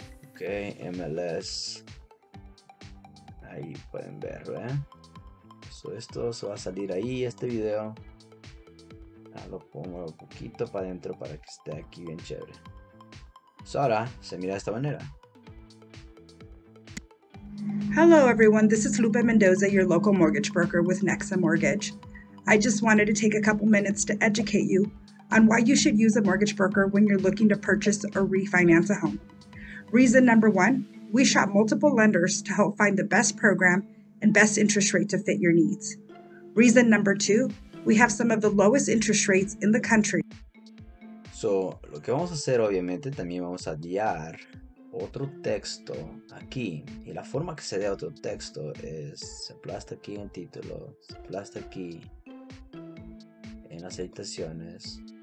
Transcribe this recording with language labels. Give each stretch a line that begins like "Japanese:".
Spanish: Ok, MLS, ahí pueden ver, ¿eh? So esto se va a salir ahí, este video. Ya lo pongo un poquito para adentro para que esté aquí bien chévere. So ahora se mira de esta manera.
English: Hello everyone, this is Lupe Mendoza, your local mortgage broker with Nexa Mortgage. I just wanted to take a couple minutes to educate you on why you should use a mortgage broker when you're looking to purchase or refinance a home. Reason number one, we shop multiple lenders to help find the best program and best interest rate to fit your needs. Reason number two, we have some of the lowest interest rates in the country.
Spanish: So, lo que vamos a hacer, obviamente, también vamos a guiar otro texto aquí. Y la forma que se da otro texto es, se aplasta aquí en título, se aplasta aquí en las editaciones.